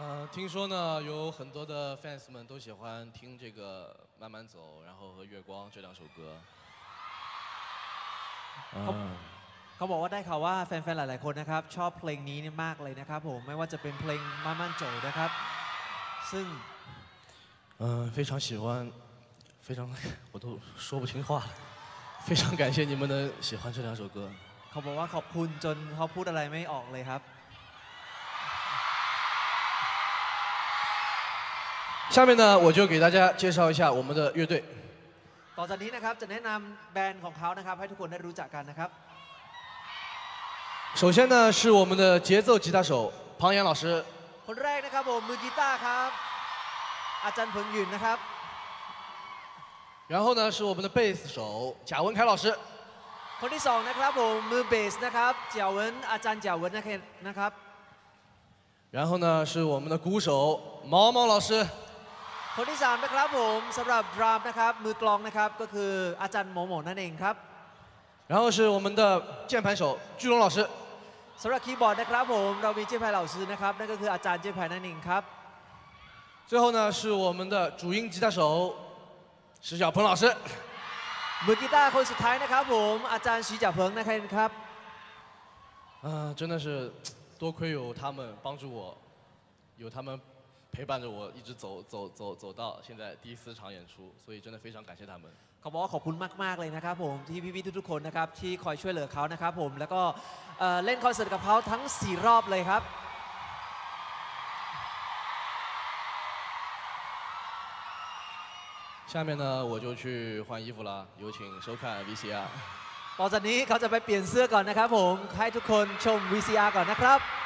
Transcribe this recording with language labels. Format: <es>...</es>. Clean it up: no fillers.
<zh>听说呢，有很多的 fans 们都喜欢听这个《慢慢走》，然后和《月光》这两首歌。</zh> <th>เขาบอกว่าได้ข่าวว่าแฟนๆหลายๆคนนะครับชอบเพลงนี้เนี่ยมากเลยนะครับผมไม่ว่าจะเป็นเพลงมั่นๆโจ๋นะครับซึ่ง</th> <zh>非常喜欢非常我都说不清话了非常感谢你们的喜欢这两首歌</zh> <th>เขาบอกว่าขอบคุณจนเขาพูดอะไรไม่ออกเลยครับ</th> <zh>下面呢我就给大家介绍一下我们的乐队</zh> <th>ต่อจากนี้นะครับจะแนะนำแบนด์ของเขานะครับให้ทุกคนได้รู้จักกันนะครับ</th> <zh>首先呢是我们的节奏吉他手庞岩老师</zh> <th>คนแรกนะครับผมมือกีตาร์ครับอาจารย์ผงหยุ่นนะครับ</th> <zh>然后呢是我们的贝斯手贾文凯老师</zh> <th>คนที่สองนะครับผมมือเบสนะครับจ่าเวินอาจารย์จ่าเวินนะครับ</th> <zh>然后呢是我们的鼓手毛毛老师</zh> <th>คนที่สามนะครับผมสำหรับดรัมนะครับมือกลองนะครับก็คืออาจารย์หมอหมอนั่นเองครับ</th> <zh>然后是我们的键盘手巨龙老师</zh> <th>สำหรับคีย์บอร์ดนะครับผมเรามีเจ้าแพร่เหล่าซื้อนะครับนั่นก็คืออาจารย์เจ้าแพร่นั่นเองครับ</th> <zh>最后呢是我们的主音吉他手石小鹏老师</zh> <th>มือกีตาร์คนสุดท้ายนะครับผมอาจารย์石小鹏นะครับ</th> <zh>真的是多亏有他们帮助我有他们陪伴着我一直走到现在第四场演出所以真的非常感谢他们</zh> <th>เขาบอกว่าขอบคุณมากๆเลยนะครับผมที่พี่ๆทุกๆคนนะครับที่คอยช่วยเหลือเขานะครับผมแล้วก็เล่นคอนเสิร์ตกับเขาทั้ง4รอบเลยครับ ต่อไปนะ</th> <zh>我就去换衣服了有请收看 VCR</zh> <th>ต่อจากนี้เขาจะไปเปลี่ยนเสื้อก่อนนะครับผมให้ทุกคนชม VCR ก่อนนะครับ</th>